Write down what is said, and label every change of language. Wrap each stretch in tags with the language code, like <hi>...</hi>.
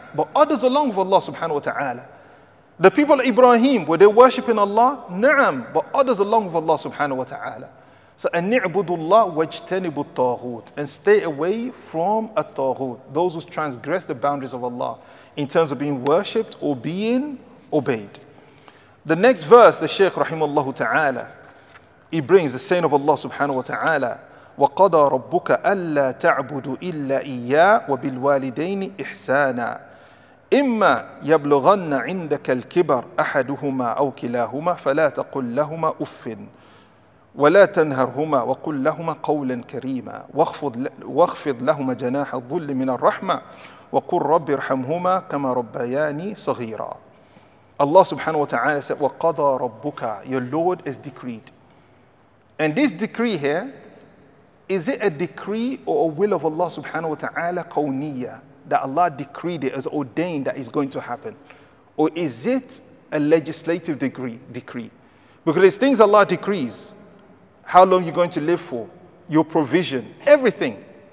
<en>But others along with Allah subhanahu wa ta'ala. The people of Ibrahim, were they worshipping Allah? Na'am. But others along with Allah subhanahu wa ta'ala.</en> <ar>So, أَنِّعْبُدُ اللَّهُ وَاجْتَنِبُ الطَّاغُوتِ.</ar> <en>And stay away from الطَّاغُوتِ. Those who transgress the boundaries of Allah in terms of being worshipped or being obeyed. The next verse, the Shaykh rahimahullah ta'ala, he brings the saying of Allah subhanahu wa ta'ala,</en> <ar>وَقَضَى رَبُّكَ أَلَّا تَعْبُدُ إِلَّا إِيَّا وَبِالْوَالِدَيْنِ إِحْسَانًا إِمَّا يَبْلُغَنَّ عِنْدَكَ الْكِبَرْ أَحَدُهُمَا أَوْ كِلَاهُمَا فَلَا تَقُلْ لَهُمَا أُفٍّ وَلَا تَنْهَرْهُمَا وَقُلْ لَهُمَا قَوْلًا كَرِيمًا وَاخْفِضْ لَهُمَا جَنَاحَ الظُّلِّ مِنَ الرَّحْمَةِ وَقُلْ رَبِّ ارْحَمْهُمَا كَمَا رَبَّيَانِي صَغِيرًا.</ar> <en>Allah subhanahu wa ta'ala said,</en> <ar>وَقَضَى رَبُّكَ,</ar> <en>your Lord has decreed. And this decree here, is it a decree or a will of Allah subhanahu wa ta'ala kawniyya, that Allah decreed it as ordained that is going to happen? Or is it a legislative decree? Because there's things Allah decrees, how long you're going to live for, your provision, everything.</en>